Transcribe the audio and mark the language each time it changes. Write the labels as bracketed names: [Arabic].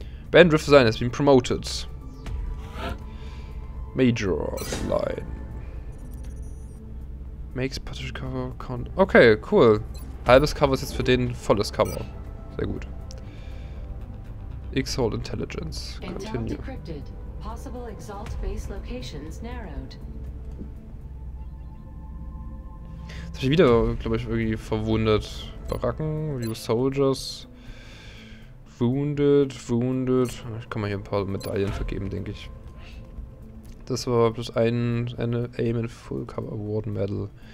[English] Bandriff Design has been promoted. Major Line. Makes partial cover count. Okay, cool. [German] Halbes Cover ist jetzt für den volles Cover. Sehr gut. [English] Exalt Intelligence. Continue. Possible Exalt Base Locations narrowed. [German] Jetzt habe ich wieder, glaube ich, irgendwie verwundet. Baracken, [English] View Soldiers. Wounded, wounded. [German] Ich kann mal hier ein paar Medaillen vergeben, denke ich. Das war bloß eine Aim in Full Cover Award Medal.